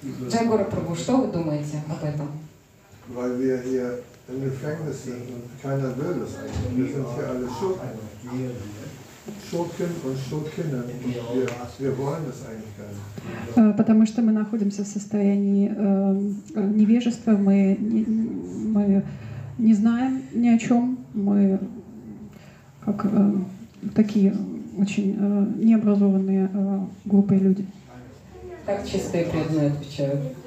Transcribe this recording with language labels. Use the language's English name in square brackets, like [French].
[Russian] Джайгуру Прабху, что вы думаете об этом? [German] Weil wir hier im Gefängnis sind und keiner will das eigentlich. Wir sind hier alle Schurken und Schurkinnen. Wir wollen das eigentlich gar nicht. [Russian] Потому что мы находимся в состоянии невежества, мы не знаем ни о чем, мы как такие очень необразованные глупые люди. Так чистые преданные отвечают.